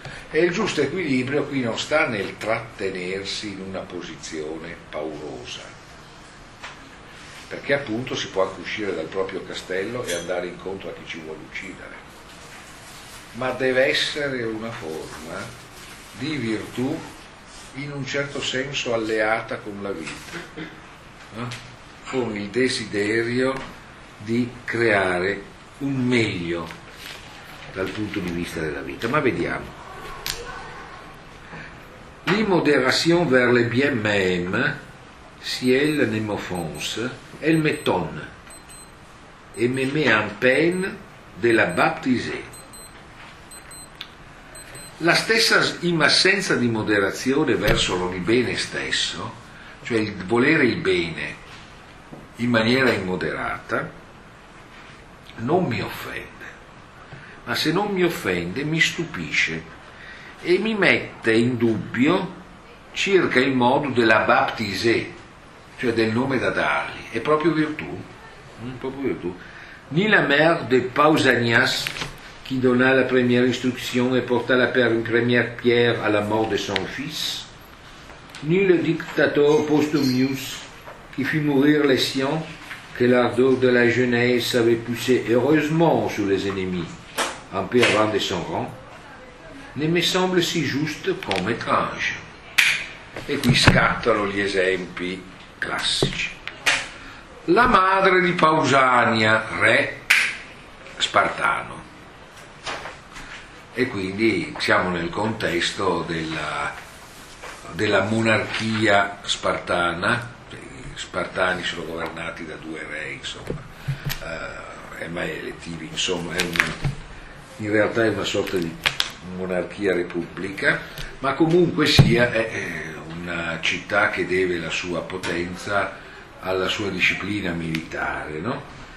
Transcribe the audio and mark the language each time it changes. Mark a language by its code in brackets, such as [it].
[it] E il giusto equilibrio qui non sta nel trattenersi in una posizione paurosa, perché appunto si può anche uscire dal proprio castello e andare incontro a chi ci vuole uccidere, ma deve essere una forma di virtù in un certo senso alleata con la vita, con il desiderio di creare un meglio dal punto di vista della vita. Ma vediamo. [fr] L'immoderation vers le bien même, ciel ne m'offense, elle m'étonne, et me met en peine de la baptiser. [it] La stessa assenza di moderazione verso il bene stesso, cioè il volere il bene in maniera immoderata, non mi offende, ma se non mi offende mi stupisce e mi mette in dubbio circa il modo della baptisé, cioè del nome da dargli. È proprio virtù, proprio virtù. [fr] Ni la mère de Pausanias qui donna la première instruction et porta la première pierre à la mort de son fils, ni le dictateur Postumius qui fit mourir les siens que l'ardeur de la jeunesse avait poussé heureusement sur les ennemis en perdant de son rang, ne me semble si juste comme étrange. [it] E qui scattano gli esempi classici. La madre di Pausania, re spartano. E quindi siamo nel contesto della monarchia spartana, i spartani sono governati da due re, insomma, è mai elettivi, insomma, in realtà è una sorta di monarchia repubblica, ma comunque sia è una città che deve la sua potenza alla sua disciplina militare, no?